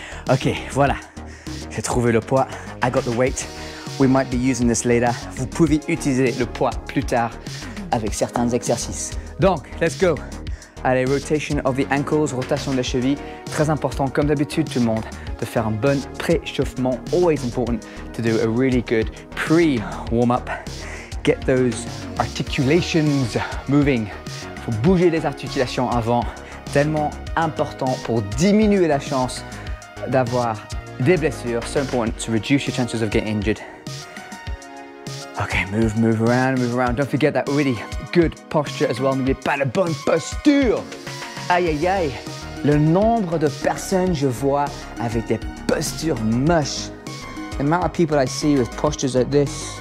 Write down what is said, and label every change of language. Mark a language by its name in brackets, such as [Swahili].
[French] Ok, voilà. J'ai trouvé le poids. [English] I got the weight. We might be using this later. [French] Vous pouvez utiliser le poids plus tard avec certains exercices. Donc, [English] let's go. [French] Allez, [English] rotation of the ankles, [French] rotation de la cheville. Très important, comme d'habitude, tout le monde, de faire un bon préchauffement. [English] Always important to do a really good pre-warm-up. Get those articulations moving. [French] Il faut bouger les articulations avant. Tellement important pour diminuer la chance d'avoir des blessures. [English] So important to reduce your chances of getting injured. Okay, move, move around. Don't forget that really good posture as well. [French] N'oubliez pas la bonne posture. Aïe, aïe, aïe. Le nombre de personnes je vois avec des postures moches. [English] The amount of people I see with postures like this.